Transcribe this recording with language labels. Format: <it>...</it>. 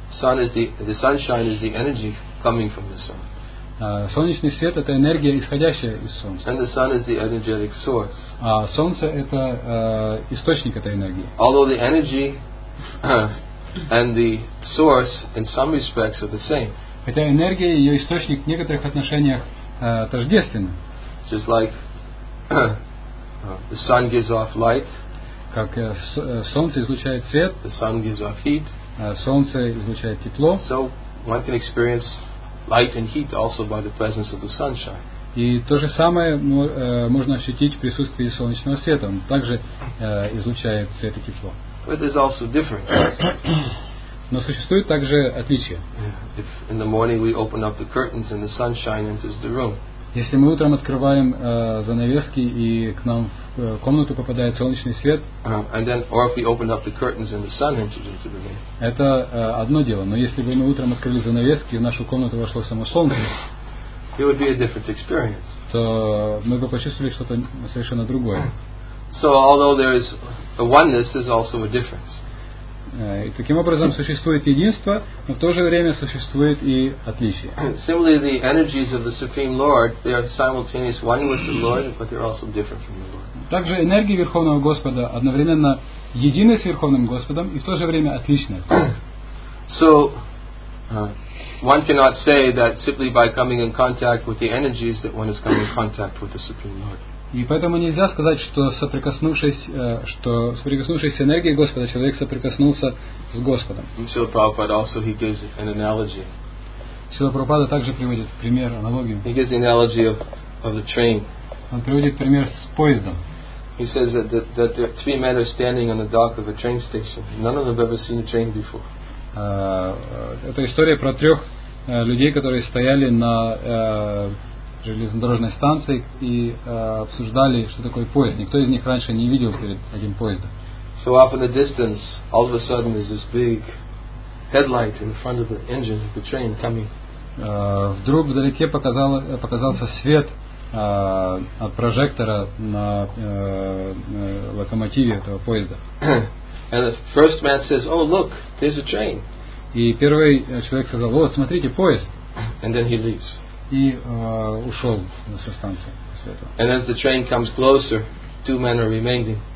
<en>Sun is the sunshine is the energy coming from the sun.</en> <ru>Солнечный свет это энергия, исходящая из солнца.</ru> <en>And the sun is the energetic source.</en> <ru>А солнце это источник этой энергии.</ru> <en>Although the energy and the source in some respects are the same.</en> <ru>Хотя энергия и ее источник в некоторых отношениях тождественны.</ru> <en>Just like the sun gives off light.</en> <ru>Как солнце излучает свет.</ru> <en>The sun gives off heat.</en> <ru>Солнце излучает тепло.</ru> <en>So one can experience light and heat also by the presence of the sunshine.</en> <ru>И то же самое можно ощутить в присутствии солнечного света. Он также излучает свет и тепло.</ru> <en>But there's also different.</en> <ru>Но существуют также отличия.</ru> <en>If in the morning we open up the curtains and the sunshine enters the room.</en> <ru>Если мы утром открываем занавески и к нам в комнату попадает солнечный свет.</ru> <en>And then, or if we open up the curtains and the sun enters into the room.</en> <ru>Это одно дело. Но если бы мы утром открыли занавески и в нашу комнату вошло само солнце.</ru> <en>It would be a different experience.</en> <ru>То мы бы почувствовали что-то совершенно другое.</ru> <en>So although there is a oneness, there's also a difference.</en> <ru>И таким образом существует единство, но в то же время существует и отличие.</ru> <en>Similarly, the energies of the Supreme Lord, they are simultaneous one with the Lord, but they're also different from the Lord.</en> <ru>Также энергии Верховного Господа одновременно едины с Верховным Господом и в то же время отличны.</ru> <en>So, one cannot say that simply by coming in contact with the energies that one is coming in contact with the Supreme Lord.</en> <ru>И поэтому нельзя сказать, что соприкоснувшись с энергией Господа, человек соприкоснулся с Господом.</ru> <en>Srila Prabhupada also he gives an analogy.</en> <ru>Srila Prabhupada также приводит пример, аналогию.</ru> <en>He gives the analogy of the train.</en> <ru>Он приводит пример с поездом.</ru> <en>He says that there are three men are standing on the dock of a train station. None of them have ever seen a train before.</en> <ru>Это история про трех людей, которые стояли на железнодорожной станции и обсуждали, что такое поезд. Никто из них раньше не видел перед этим поезда.</ru> <en>So off in the distance, all of a sudden is this big headlight in front of the engine of the train coming.</en> <ru>Вдруг вдалеке показался свет от прожектора на локомотиве этого поезда.</ru> <en>And the first man says, "Oh, look, there's a train."</en> <ru>И первый человек сказал, "Вот, смотрите, поезд."</ru> <en>And then he leaves.</en> <ru>И ушел со станции.</ru> <en>And as the train comes closer, two men are remaining.</en>